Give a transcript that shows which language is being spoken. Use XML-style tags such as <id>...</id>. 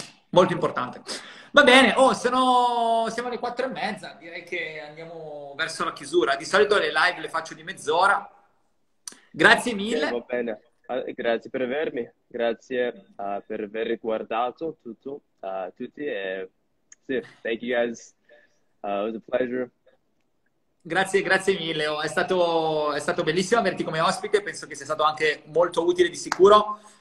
<it>Molto importante. Va bene, oh, siamo alle 4:30, direi che andiamo verso la chiusura. Di solito le live le faccio di mezz'ora. Grazie mille. Va bene, grazie per avermi, grazie per aver guardato tutto, tutti.</it> <en>E, sì, thank you guys, it was a pleasure.</en> <it>Grazie, grazie mille, oh, è stato bellissimo averti come ospite, penso che sia stato anche molto utile di sicuro.</it>